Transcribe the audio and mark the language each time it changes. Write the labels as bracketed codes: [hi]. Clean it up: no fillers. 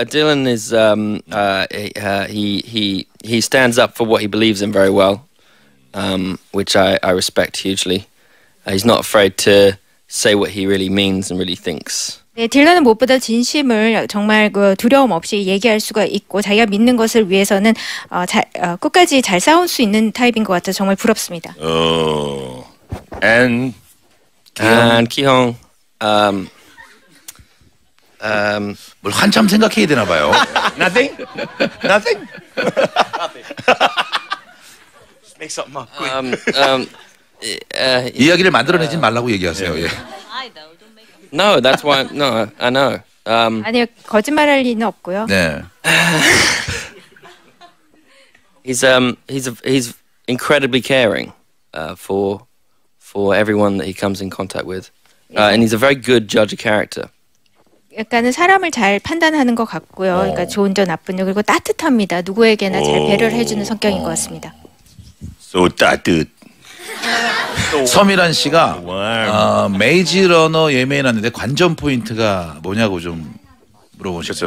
[en] Dylan is he stands up for what he believes in very well, which I respect hugely. He's not afraid to say what he really means and really thinks. [ko] 네, 딜런은 무엇보다 진심을 정말 그 두려움 없이 얘기할 수가 있고 자기가 믿는 것을 위해서는 끝까지 잘 싸울 수 있는 타입인 것 같아 정말 부럽습니다. [en] And Ki-hung, [ko] well, 한참 생각해야 되나 봐요. [en] Nothing. Nothing. Just make something up. Quick. [ko] 이야기를 만들어내지 말라고 얘기하세요. [en] Yeah. No, that's why. No, I know. [ko] 아니요, 거짓말할 리는 없고요. 네. [en] he's incredibly caring for everyone that he comes in contact with, and he's a very good judge of character. [ko] 약간은 사람을 잘 판단하는 것 같고요. 그러니까 좋은 점, 나쁜 점 그리고 따뜻합니다. 누구에게나 잘 배려를 해주는 성격인 것 같습니다. So 따뜻. 서미란 씨가 메이지러너 예매해놨는데 관전 포인트가 뭐냐고 좀 물어보셨죠.